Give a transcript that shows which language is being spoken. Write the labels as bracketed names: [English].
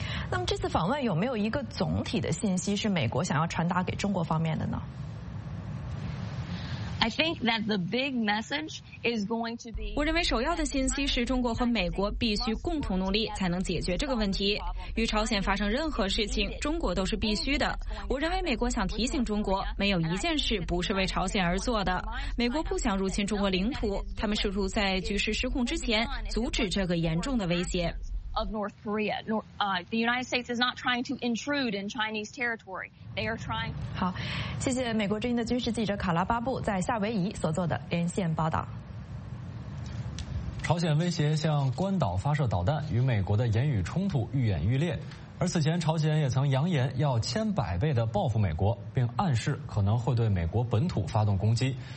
[Chinese] 那么这次访问有没有一个总体的信息是美国想要传达给中国方面的呢？ [English] think that the big message is going to be. [Chinese] 我认为首要的信息是中国和美国必须共同努力才能解决这个问题。与朝鲜发生任何事情，中国都是必须的。我认为美国想提醒中国，没有一件事不是为朝鲜而做的。美国不想入侵中国领土，他们试图在局势失控之前阻止这个严重的威胁。 [English] Of North Korea. The United States is not trying to intrude in Chinese territory. They are trying. [Chinese] 好，谢谢美国之音的军事记者卡拉巴布在夏威夷所做的连线报道。朝鲜威胁向关岛发射导弹，与美国的言语冲突愈演愈烈。而此前，朝鲜也曾扬言要千百倍的报复美国，并暗示可能会对美国本土发动攻击。